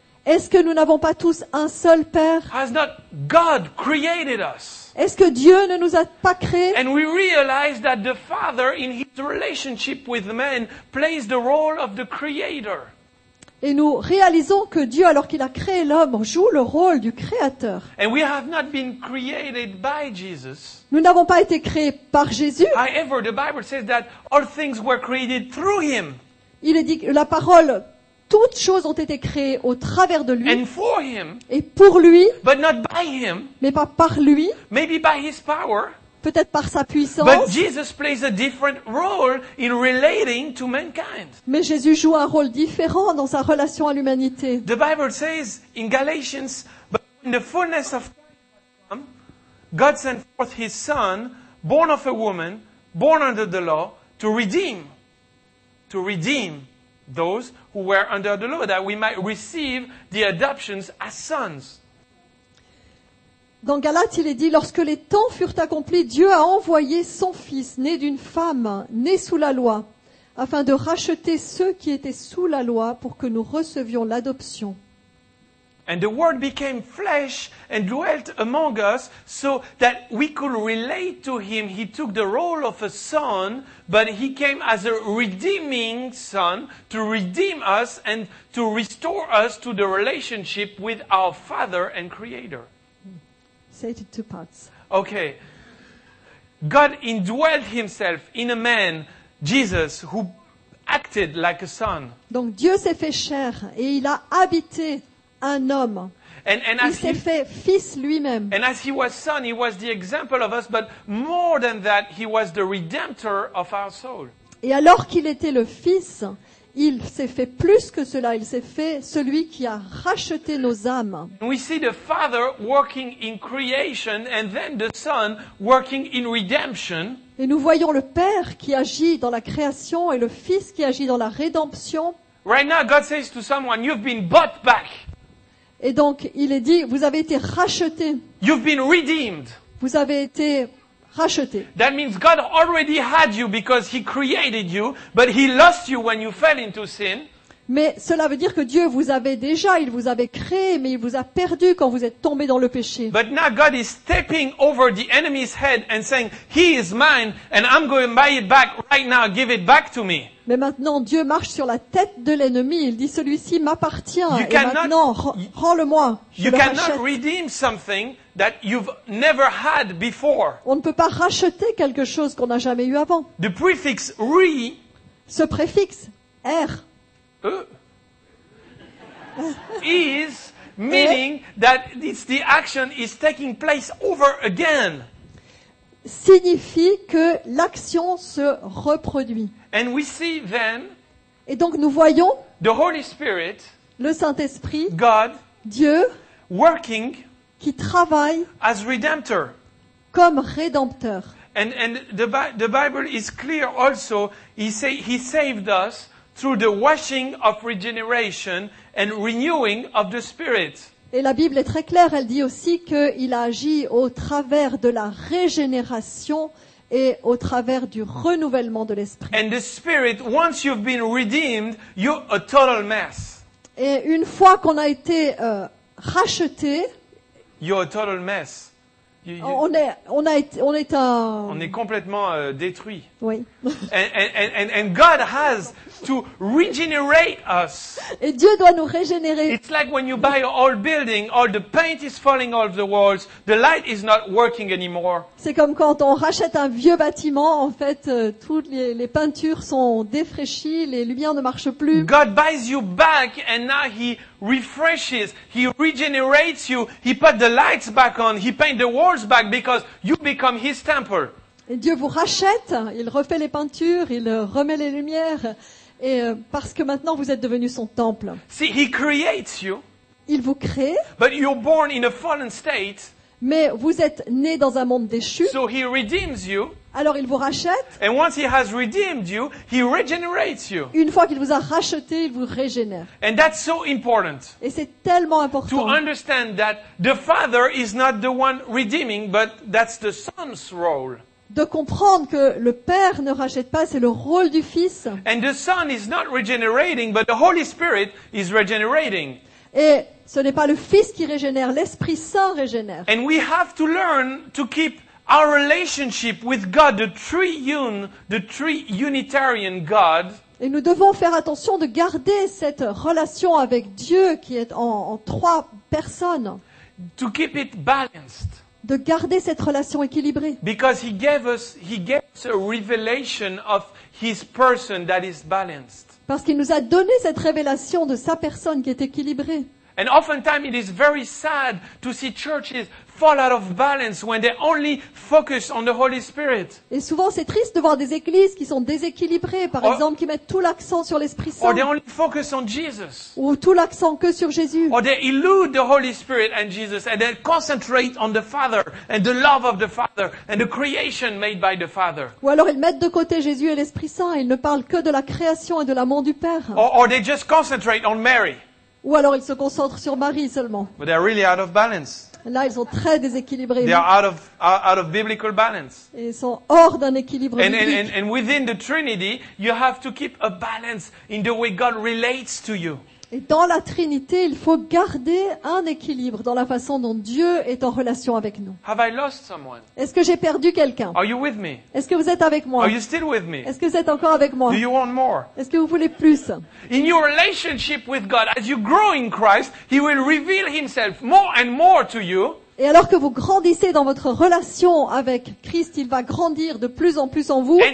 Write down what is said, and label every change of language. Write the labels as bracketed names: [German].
[French] Est-ce que nous n'avons pas tous un seul Père? [English] Has not God created us? [French] Est-ce que Dieu ne nous a pas créés? [English] And we realize that the Father, in his relationship with man, plays the role of the creator. [French] Et nous réalisons que Dieu, alors qu'il a créé l'homme, joue le rôle du créateur. [English] And we have not been created by Jesus. [French] Nous n'avons pas été créés par Jésus. [English] However, the Bible says that all things were created through him. [French] Il est dit que la parole, toutes choses ont été créées au travers de lui. [English] And for him, [French] et pour lui. [English] But not by him, [French] mais pas par lui. [English] Maybe by his power, [French] peut-être par sa puissance. [English] But Jesus plays a different role in relating to mankind. [French] Mais Jésus joue un rôle différent dans sa relation à l'humanité. [English] The Bible says in Galatians, but in the fullness of time, God sent forth his son, born of a woman, born under the law, to redeem those who were under the law, that we might receive the adoptions as sons. [French] Dans Galates, il est dit, lorsque les temps furent accomplis, Dieu a envoyé son fils, né d'une femme, né sous la loi, afin de racheter ceux qui étaient sous la loi pour que nous recevions l'adoption. [English] And the word became flesh and dwelt among us so that we could relate to him. He took the role of a son, but he came as a redeeming son to redeem us and to restore us to the relationship with our Father and Creator. Say it in two parts. Okay. God indwelt himself in a man, Jesus, who acted like a son. [French] Donc Dieu s'est fait chair et il a habité un homme. [English] And [French] il s'est fait fils lui-même. [English] And as he was son, he was the example of us, but more than that, he was the redemptor of our soul. [French] Et alors qu'il était le fils, il s'est fait plus que cela, il s'est fait celui qui a racheté nos âmes. [English] We see the Father working in creation and then the Son working in redemption. [French] Et nous voyons le Père qui agit dans la création et le Fils qui agit dans la rédemption. [English] Right now God says to someone, you've been bought back. [French] Et donc il est dit, vous avez été racheté. [English] You've been redeemed. [French] Vous avez été racheté. [English] That means God already had you because he created you, but he lost you when you fell into sin. [French] Mais cela veut dire que Dieu vous avait déjà, il vous avait créé, mais il vous a perdu quand vous êtes tombé dans le péché. [English] But now God is stepping over the enemy's head and saying, he is mine and I'm going to buy it back right now, give it back to me. [French] Mais maintenant Dieu marche sur la tête de l'ennemi, il dit celui-ci m'appartient, et maintenant rends-le-moi, je le rachète. [English] You cannot redeem something that you've never had before. [French] On ne peut pas racheter quelque chose qu'on n'a jamais eu avant. [English] The prefix re, [French] ce préfixe r, [English] is meaning that it's the action is taking place over again. [French] Signifie que l'action se reproduit. [English] And we see then, [French] et donc nous voyons [English] the Holy Spirit, [French] le Saint-Esprit, [English] God, [French] Dieu, [English] working, [French] qui travaille [English] as redemptor, [French] comme rédempteur. [English] And the Bible is clear also, he saved us through the washing of regeneration and renewing of the Spirit. [French] Et la Bible est très claire, elle dit aussi qu'il a agi au travers de la régénération et au travers du renouvellement de l'Esprit. [English] And the Spirit, once you've been redeemed, you're a total mess. [French] Et une fois qu'on a été racheté, [English] you're a total mess. [French] On est complètement détruit. Oui. [English] and God has to regenerate us. [French] Et Dieu doit nous régénérer. [English] It's like when you buy an old building, all the paint is falling off the walls, the light is not working anymore. [French] C'est comme quand on rachète un vieux bâtiment, en fait, toutes les peintures sont défraîchies, les lumières ne marchent plus. [English] God buys you back and now he refreshes, he regenerates you, he put the lights back on, he paint the walls back because you become his temple. [French] Et Dieu vous rachète, il refait les peintures, il remet les lumières, et parce que maintenant vous êtes devenu son temple. [English] See, he creates you. [French] Il vous crée. [English] But you're born in a fallen state. [French] Mais vous êtes né dans un monde déchu. [English] So he redeems you. [French] Alors il vous rachète. [English] And once he has redeemed you, he regenerates you. [French] Une fois qu'il vous a racheté, il vous régénère. [English] And that's so important. [French] Et c'est tellement important. [English] To understand that the Father is not the one redeeming, but that's the Son's role. [French] De comprendre que le Père ne rachète pas, c'est le rôle du Fils. [English] And the Son is not regenerating, but the Holy Spirit is regenerating. [French] Et ce n'est pas le Fils qui régénère, l'Esprit Saint régénère. [English] And we have to learn to keep our relationship with God, the three Unitarian God. [French] Et nous devons faire attention de garder cette relation avec Dieu qui est en trois personnes. [English] To keep it balanced. [French] De garder cette relation équilibrée. [English] Because he gave us a revelation of his person that is balanced. [French] Parce qu'il nous a donné cette révélation de sa personne qui est équilibrée. [English] And oftentimes it is very sad to see churches fall out of balance when they only focus on the Holy Spirit. [French] Et souvent c'est triste de voir des églises qui sont déséquilibrées, par exemple, qui mettent tout l'accent sur l'Esprit Saint. [English] Or they only focus on Jesus. [French] Ou tout l'accent que sur Jésus. [English] Or they elude the Holy Spirit and Jesus, and they concentrate on the Father and the love of the Father and the creation made by the Father. [French] Ou alors ils mettent de côté Jésus et l'Esprit Saint, ils ne parlent que de la création et de l'amour du Père. [English] Or they just concentrate on Mary. [French] Ou alors ils se concentrent sur Marie seulement. [English] But they are really out of balance. [French] Là, ils sont très déséquilibrés. [English] They are out of biblical balance. [French] Et ils sont hors d'un équilibre biblique. [English] And within the Trinity, you have to keep a balance in the way God relates to you. [French] Et dans la Trinité, il faut garder un équilibre dans la façon dont Dieu est en relation avec nous. [English] Have I lost someone? [French] Est-ce que j'ai perdu quelqu'un? [English] Are you with me? [French] Est-ce que vous êtes avec moi? [English] Are you still with me? [French] Est-ce que vous êtes encore avec moi? [English] Do you want more? [French] Est-ce que vous voulez plus? [English] In your relationship with God, as you grow in Christ, He will reveal Himself more and more to you. [French] Et alors que vous grandissez dans votre relation avec Christ, il va grandir de plus en plus en vous.